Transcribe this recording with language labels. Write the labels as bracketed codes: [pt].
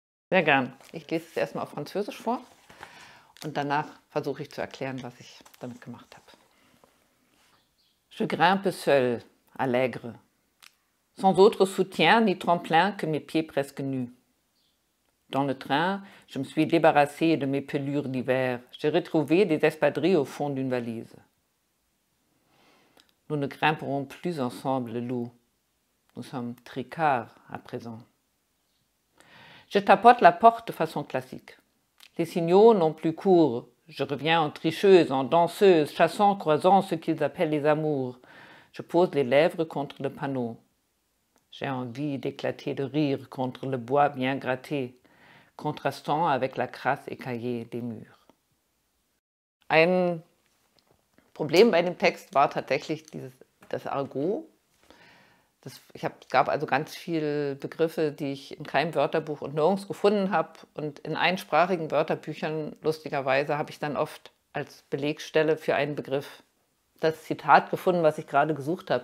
[de] Sehr gern. Ich lese es erstmal auf Französisch vor und danach versuche ich zu erklären, was ich damit gemacht habe. [fr] Je grimpe seul, allègre, sans autre soutien ni tremplin que mes pieds presque nus. Dans le train, je me suis débarrassée de mes pelures d'hiver. J'ai retrouvé des espadrilles au fond d'une valise. Nous ne grimperons plus ensemble, le loup. Nous sommes tricards à présent. Je tapote la porte de façon classique. Les signaux n'ont plus cours. Je reviens en tricheuse, en danseuse, chassant, croisant ce qu'ils appellent les amours. Je pose les lèvres contre le panneau. J'ai envie d'éclater de rire contre le bois bien gratté. Kontrastant avec la crasse écaillée des murs. [de] Ein Problem bei dem Text war tatsächlich das Argot. Es gab also ganz viele Begriffe, die ich in keinem Wörterbuch und nirgends gefunden habe. Und in einsprachigen Wörterbüchern, lustigerweise, habe ich dann oft als Belegstelle für einen Begriff das Zitat gefunden, was ich gerade gesucht habe.